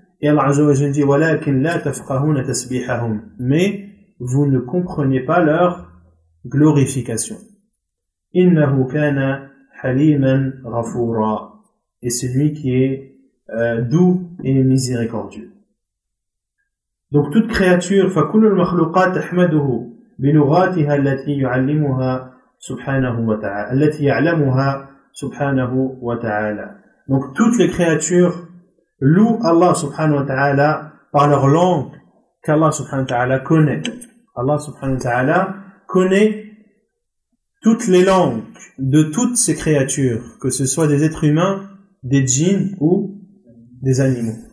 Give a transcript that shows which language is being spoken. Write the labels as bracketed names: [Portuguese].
[French] Et Allah Azza wa Jalla dit, [Arabic] وَلَكِنْ لَا تَفْقَهُونَ تَسْبِيحَهُمْ, [French] mais vous ne comprenez pas leur glorification. [Arabic] إِنَّهُ كَانَ حَلِيمًا غَفُورًا, [French] et c'est lui qui est doux et miséricordieux. Donc toute créature, [Arabic] فَكُلُّ الْمَخْلُوقَاتِ تَحْمَدُهُ بِلُغَاتِهَا الَّتِي يُعَلِّمُهَا سُبْحَانَهُ وَتَعَالَى الَّتِي يَعْلَمُهَا سُبْحَانَهُ وَتَعَالَى. [French] Donc toutes les créatures louent Allah subhanahu wa ta'ala par leur langue qu'Allah subhanahu wa ta'ala connaît. Allah subhanahu wa ta'ala connaît toutes les langues de toutes ces créatures, que ce soit des êtres humains, des djinns ou des animaux.